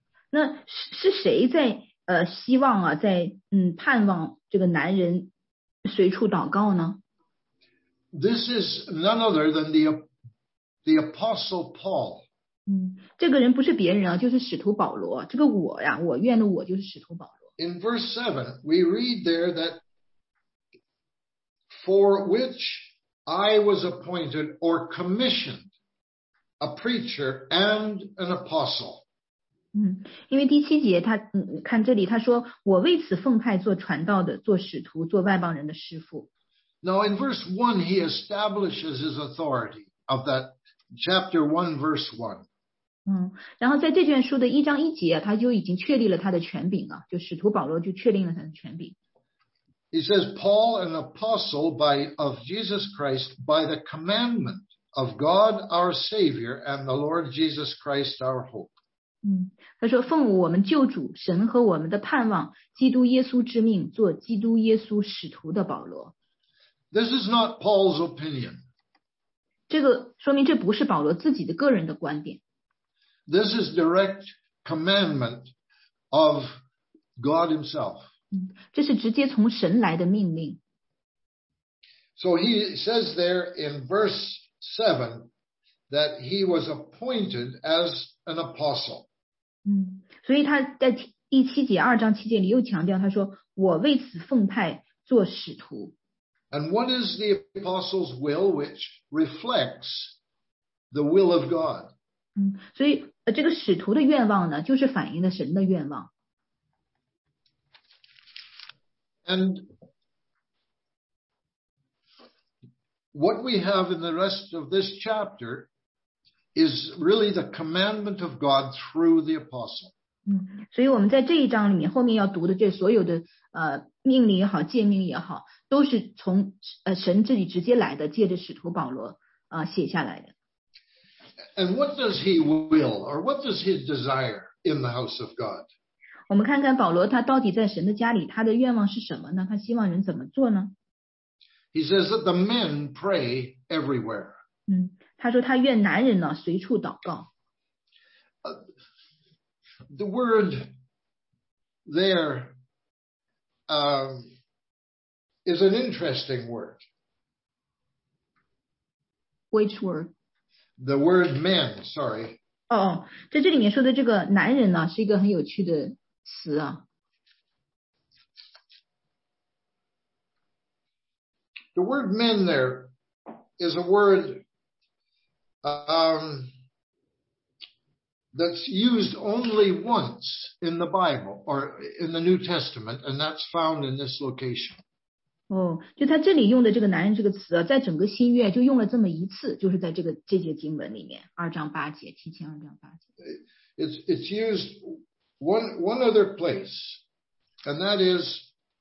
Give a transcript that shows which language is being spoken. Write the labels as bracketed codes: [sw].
[zh] 那是谁在希望啊，在盼望这个男人随处祷告呢？ [en] This is none other than the Apostle Paul. [zh] 这个人不是别人啊，就是使徒保罗。这个我呀，我愿的我就是使徒保罗。 [en] In verse 7, we read there that for which I was appointed or commissioned a preacher and an apostle. [zh] 因为第七节他看这里他说我为此奉派做传道的做使徒做外邦人的师父。 [en] Now in verse 1 he establishes his authority of that chapter 1 verse 1. [zh] 然后在这卷书的一章一节他就已经确立了他的权柄了就使徒保罗就确定了他的权柄。 [en] He says, Paul, an apostle of Jesus Christ, by the commandment of God our Savior and the Lord Jesus Christ our hope. [zh] 他说奉我们救主神和我们的盼望基督耶稣之命做基督耶稣使徒的保罗。 [en] This is not Paul's opinion. [zh] 这个说明这不是保罗自己的个人的观点。 [en] This is direct commandment of God himself. [zh] 这是直接从神来的命令。 [en] So he says there in verse 7 that he was appointed as an apostle. [zh] 所以他在第七节二章七节里又强调他说我为此奉派做使徒。 [en] And what is the apostle's will which reflects the will of God? [zh] 所以这个使徒的愿望呢就是反映了神的愿望。 [en] And what we have in the rest of this chapter is really the commandment of God through the apostle. [zh] 所以我们在这一章里面后面要读的这所有的命令也好诫命也好都是从神这里直接来的借着使徒保罗写下来的。 [en] And what does he will, or what does he desire in the house of God? [zh] 我们看看保罗他到底在神的家里他的愿望是什么呢他希望人怎么做呢 [en] He says that the men pray everywhere. [zh] 他说他愿男人呢随处祷告。 [en] The word there is an interesting word. Which word? The word men, sorry. [zh] 在这里面说的这个男人呢，是一个很有趣的词啊。 [en] The word men there is a word that's used only once in the Bible or in the New Testament, and that's found in this location. [zh] 就他这里用的这个男人这个词啊，在整个新约就用了这么一次，就是在这节经文里面，二章八节，七千二章八节。 [en] It's used one other place, and that is